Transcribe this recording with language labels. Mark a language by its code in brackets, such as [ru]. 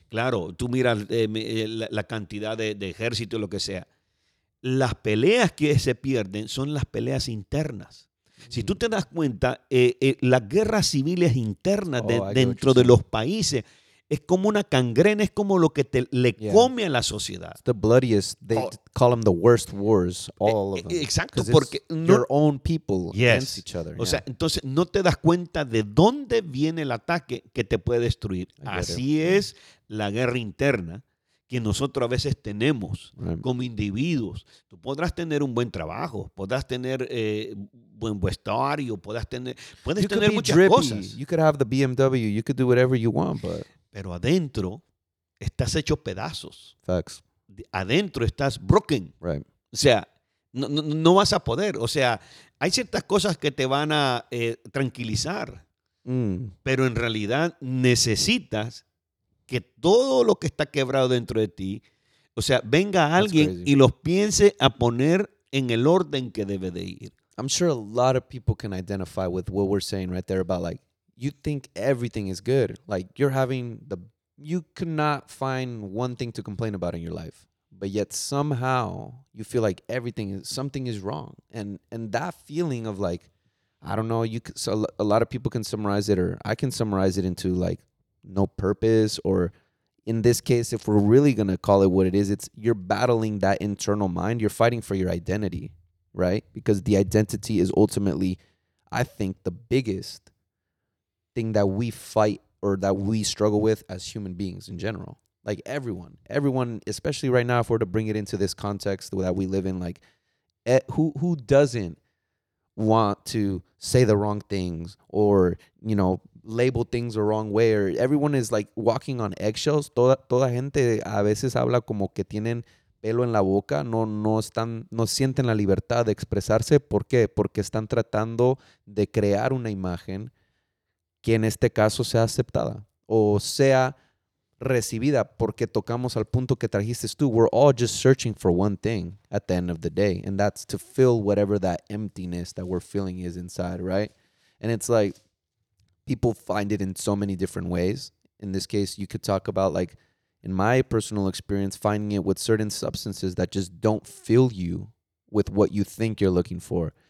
[es] Claro, tú miras la cantidad de ejército, lo que sea. Las peleas que se pierden son las peleas internas. Si tú te das cuenta, las guerras civiles internas dentro de los países es como una gangrena, es como lo que come a la sociedad. [en] It's the bloodiest, they call them the worst wars, all of them. [es] Exacto, porque [en] your own people against each other. [es] O sea, entonces no te das cuenta de dónde viene el ataque que te puede destruir. Así es la guerra interna. que nosotros a veces tenemos como individuos. Tú podrás tener un buen trabajo, podrás tener buen vestuario, puedes tener muchas cosas. [en] You could have the BMW, you could do whatever you want, but... [es] Pero adentro estás hecho pedazos. [en] Facts. [es] Adentro estás [en] broken. Right. [es] O sea, no vas a poder. O sea, hay ciertas cosas que te van a tranquilizar, pero en realidad necesitas que todo lo que está quebrado dentro de ti, o sea, venga alguien y los piense a poner en el orden que debe de ir. [en] I'm sure a lot of people can identify with what we're saying right there about, like, you think everything is good. Like, you're having the... You could not find one thing to complain about in your life. But yet somehow you feel like something is wrong. And that feeling of, like, I don't know, a lot of people can summarize it, or I can summarize it into, like, no purpose, or in this case, if we're really going to call it what it is, it's you're battling that internal mind. You're fighting for your identity, right? Because the identity is ultimately, I think, the biggest thing that we fight or that we struggle with as human beings in general. Like everyone, especially right now, if we're to bring it into this context that we live in, like who doesn't want to say the wrong things, or, you know, label things the wrong way, or everyone is like walking on eggshells. [es] Toda gente a veces habla como que tienen pelo en la boca, no sienten la libertad de expresarse. ¿Por qué? Porque están tratando de crear una imagen que en este caso sea aceptada o sea recibida, porque tocamos al punto que trajiste tú. [en] We're all just searching for one thing at the end of the day, and that's to fill whatever that emptiness that we're feeling is inside, right? And it's like people find it in so many different ways. In this case, you could talk about, like, in my personal experience, finding it with certain substances that just don't fill you with what you think you're looking for.